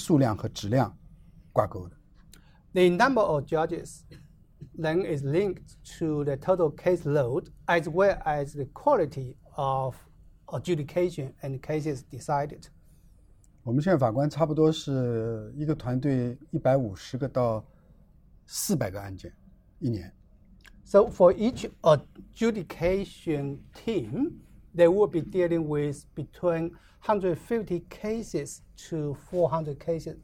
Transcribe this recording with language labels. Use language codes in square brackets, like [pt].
[zh] 这个法官的这个工作啊，这个数量是和他那个案件的数量和质量挂钩的。 [en] The number of judges then is linked to the total caseload as well as the quality of adjudication and cases decided. [zh] 我们现在法官差不多是一个团队150个到400个案件一年。 [en] So for each adjudication team, they will be dealing with between 150 cases to 400 cases.